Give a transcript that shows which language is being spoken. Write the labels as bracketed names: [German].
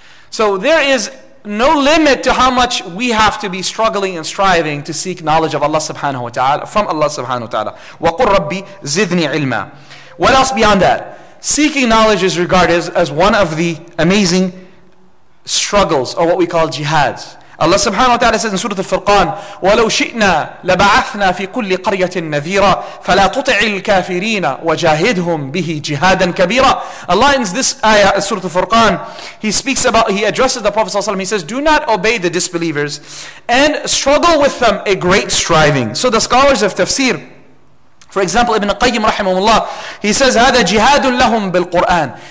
[English] So there is no limit to how much we have to be struggling and striving to seek knowledge of Allah subhanahu wa ta'ala, from Allah subhanahu wa ta'ala. [Arabic] وَقُلْ رَبِّي زِذْنِي عِلْمًا. [English] What else beyond that? Seeking knowledge is regarded as one of the amazing struggles, or what we call jihads. [Arabic] Allah subhanahu wa ta'ala says in Surah Al-Furqan, وَلَوْ شِئْنَا لَبَعَثْنَا فِي كُلِّ قَرْيَةٍ نَذِيرًا فَلَا تُطِعِ الْكَافِرِينَ وَجَاهِدْهُمْ بِهِ جِهَادًا كَبِيرًا. [English] Allah in this ayah, Surah Al-Furqan, he addresses the Prophet ﷺ, he says, do not obey the disbelievers and struggle with them a great striving. So the scholars of tafsir, for example, Ibn Qayyim rahimahullah, he says, [Arabic] هَذَا جِهَادٌ لَهُمْ بِالْقُرْآنِ.